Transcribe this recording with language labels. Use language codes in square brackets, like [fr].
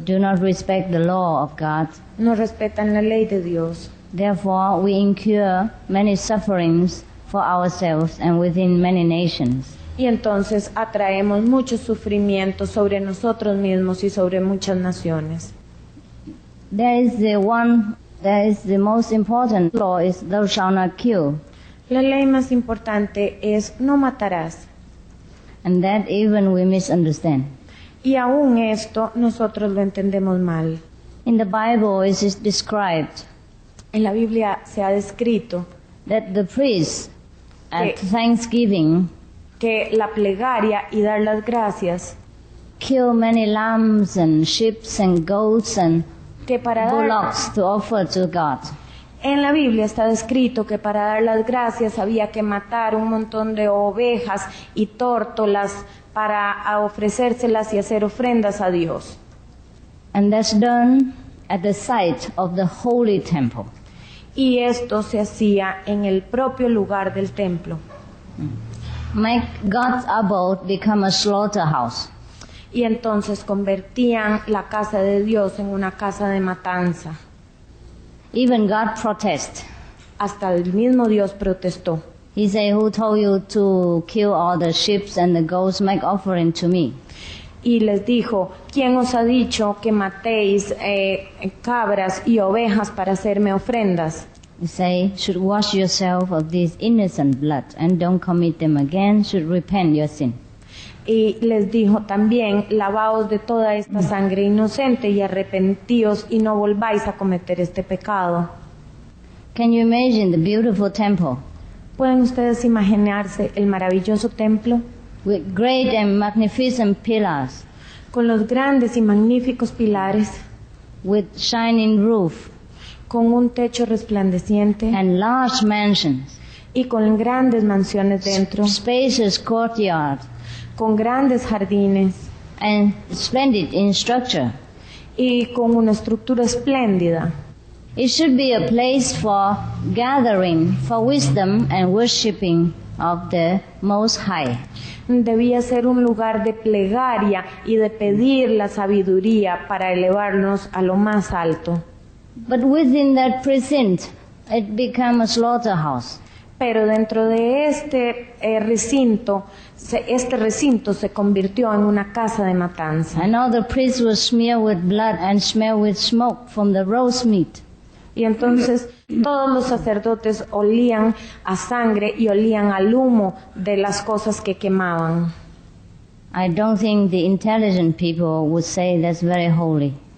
[en] Do not respect the law of God. [es] No respetan la ley de Dios. [en] Therefore, we incur many sufferings for ourselves and within many nations. [es] Y entonces atraemos muchos sufrimientos sobre nosotros mismos y sobre muchas naciones. [en] There is the most important law is thou shalt not kill. [es] La ley más importante es no matarás. [en] And that even we misunderstand. [es] Y aún esto nosotros lo entendemos mal. [en] In the Bible it is described. [es] En la Biblia se ha descrito [en] that the priest at Thanksgiving [es] que la plegaria y dar las gracias [en] kill many lambs and sheep and goats and [es] que para [en] bullocks [es] dar, [en] to offer to God. [es] En la Biblia está descrito que para dar las gracias había que matar un montón de ovejas y tórtolas para ofrecérselas y hacer ofrendas a Dios. [en] And that's done at the site of the holy temple. [es] Y esto se hacía en el propio lugar del templo. [en] Make God's abode become a slaughterhouse. [es] Y entonces convertían la casa de Dios en una casa de matanza. [en] Even God protest. [es] Hasta el mismo Dios protestó. [en] He said, who told you to kill all the sheep and the goats, make offering to me? [es] Y les dijo, ¿quién os ha dicho que matéis cabras y ovejas para hacerme ofrendas? [en] You say, should wash yourself of this innocent blood and don't commit them again, should repent your sin. [es] Y les dijo también, lavaos de toda esta sangre inocente y arrepentíos y no volváis a cometer este pecado. [en] Can you imagine the beautiful temple? [es] ¿Pueden ustedes imaginarse el maravilloso templo? [en] With great and magnificent pillars. [es] Con los grandes y magníficos pilares. [en] With shining roof. [es] Con un techo resplandeciente. [en] And large mansions. [es] Y con grandes mansiones dentro. [en] Spacious courtyard. [es] Con grandes jardines. [en] And splendid in structure. [es] Y con una estructura espléndida. [en] It should be a place for gathering, for wisdom and worshiping of the Most High. [es] Debía ser un lugar de plegaria y de pedir la sabiduría para elevarnos a lo más alto. [en] But within that precinct, it became a slaughterhouse. [es] Pero dentro de este recinto, este recinto se convirtió en una casa de matanza. [en] And all the priests were smeared with blood and smelled with smoke from the roast meat. [es] Y entonces todos los sacerdotes olían a sangre y olían al humo de las cosas que quemaban. [en] I don't think the intelligent people would say that's very holy.